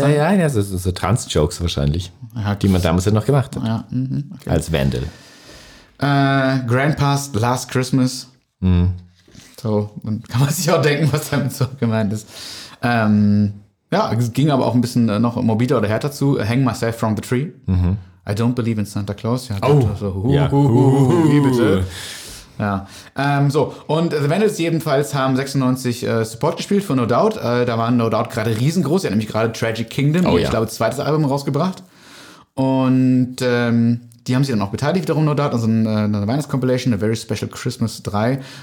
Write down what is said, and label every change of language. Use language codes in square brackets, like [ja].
[de] Ja, ja, ja, so Trans-Jokes wahrscheinlich, ja, die man damals ja noch gemacht hat. Ja, okay. Als Vandal. [en] Grandpa's Last Christmas. Mhm. [de] So, dann kann man sich auch denken, was damit so gemeint ist. Ja, es ging aber auch ein bisschen noch morbider oder härter zu. [en] Hang myself from the tree. Mhm. I don't believe in Santa Claus. [de] Ja, oh, so, bitte. Ja. So, und The Vandals jedenfalls haben 96 Support gespielt für No Doubt. Da waren No Doubt gerade riesengroß. Er hat nämlich gerade Tragic Kingdom, oh, ja, ich glaube, zweites Album rausgebracht. Und die haben sich dann auch beteiligt, wiederum No Doubt, also eine Weihnachts-Compilation, A Very Special Christmas 3.